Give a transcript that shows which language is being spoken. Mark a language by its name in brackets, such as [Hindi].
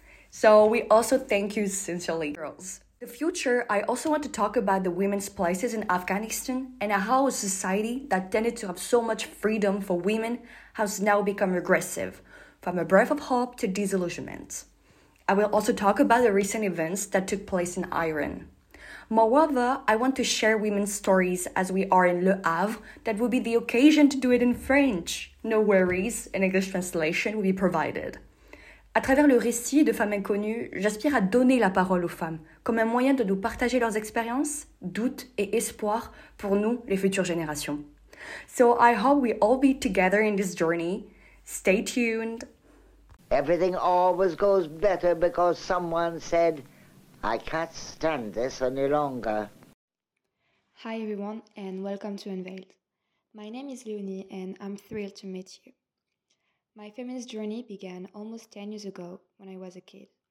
[English] So we also thank you sincerely, girls. The future, I also want to talk about the women's places in Afghanistan and how a society that tended to have so much freedom for women has now become regressive, from a breath of hope to disillusionment. I will also talk about the recent events that took place in Iran. Moreover, I want to share women's stories as we are in Le Havre. That will be the occasion to do it in French. No worries, an English translation will be provided. [French] À travers le récit de femmes inconnues, j'aspire à donner la parole aux femmes comme un moyen de nous partager leurs expériences, doutes et espoirs pour nous, les futures générations. [English] So I hope we all be together in this journey. Stay tuned. Everything always goes better because someone said, "I can't stand this any longer." Hi everyone, and welcome to Unveiled. My name is Leonie and I'm thrilled to meet you. My feminist journey began almost 10 years ago when I was a kid.